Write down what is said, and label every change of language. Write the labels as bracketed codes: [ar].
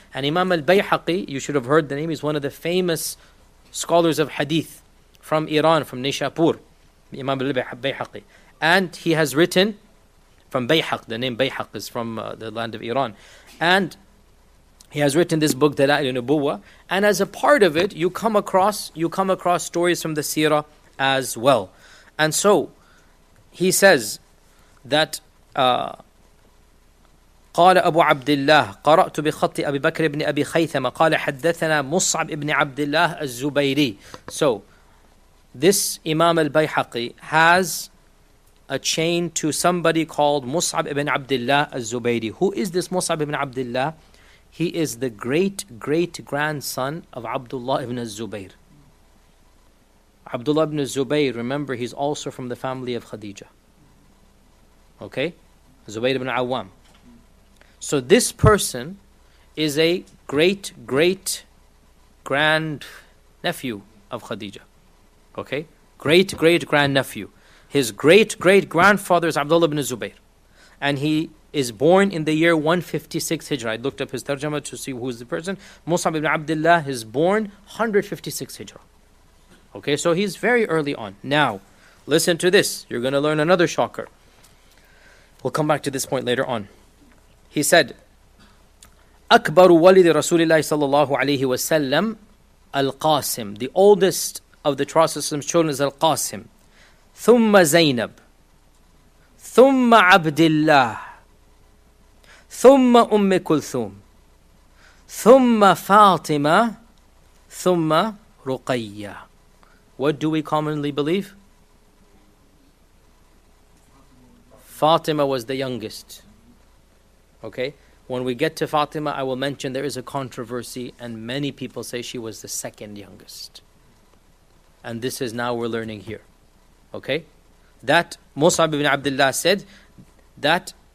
[en] And Imam al-Bayhaqi, you should have heard the name, is one of the famous scholars of hadith from Iran, from Nishapur, Imam al-Bayhaqi. And he has written from Bayhaq, the name Bayhaq is from the land of Iran. And he has written this book, Dala'il al-Nubuwa. And as a part of it, you come across stories from the seerah as well. And so he says that [ar] قال أبو عبد الله قرأت بخط أبي بكر بن أبي خيثمة قال حدثنا مصعب بن عبد الله الزبيري. [en] So this Imam al-Bayhaqi has a chain to somebody called Mus'ab ibn Abdullah al-Zubayri. Who is this Mus'ab ibn Abdullah? He is the great-great-grandson of Abdullah ibn al-Zubayr. Abdullah ibn al-Zubayr, remember, he's also from the family of Khadija. Okay? Zubayr ibn Awam. So this person is a great-great-grand-nephew of Khadija. Okay? Great-great-grand-nephew. His great-great-grandfather is Abdullah ibn al-Zubayr. And he is born in the year 156 Hijra. I looked up his tarjama to see who is the person. Mus'ab ibn Abdullah is born 156 Hijra. Okay, so he's very early on. Now, listen to this. You're going to learn another shocker. We'll come back to this point later on. He said, [ar] أَكْبَرُ وَلِدِ رَسُولِ اللَّهِ صَلَّى اللَّهُ عَلَيْهِ وَسَلَّمْ الْقَاسِمْ. [en] The oldest of the Prophet's children is Al-Qasim. [ar] ثُمَّ زَيْنَبْ ثُمَّ عَبْدِ اللَّهِ ثم أم كلثوم ثم فاطمة ثم رقية. [en] What do we commonly believe? Fatima was the youngest. Okay? When we get to Fatima, I will mention there is a controversy and many people say she was the second youngest. And this is now we're learning here. Okay? That Mus'ab ibn Abdullah said that